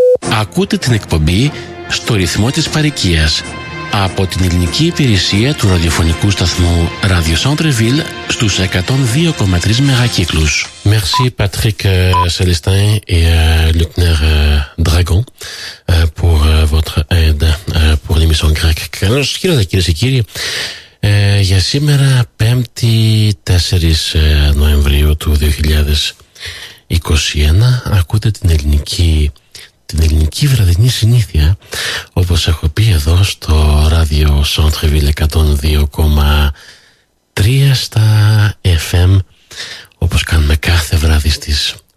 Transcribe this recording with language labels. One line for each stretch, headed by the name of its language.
Greek: Ακούτε την εκπομπή στο ρυθμό της παροικίας από την ελληνική υπηρεσία του ραδιοφωνικού σταθμού Radio Centreville στους 102,3 μεγακύκλους.
French: Merci Patrick Célestin et Luckner Dragon pour votre aide pour l'émission grecque.
Greek: Καλώς ήρθατε κυρίες και κύριοι. Για σήμερα 5η 4 Νοεμβρίου του 2021 ακούτε την ελληνική βραδινή συνήθεια, όπως έχω πει εδώ στο Radio Centreville 102,3 στα FM, όπως κάνουμε κάθε βράδυ στις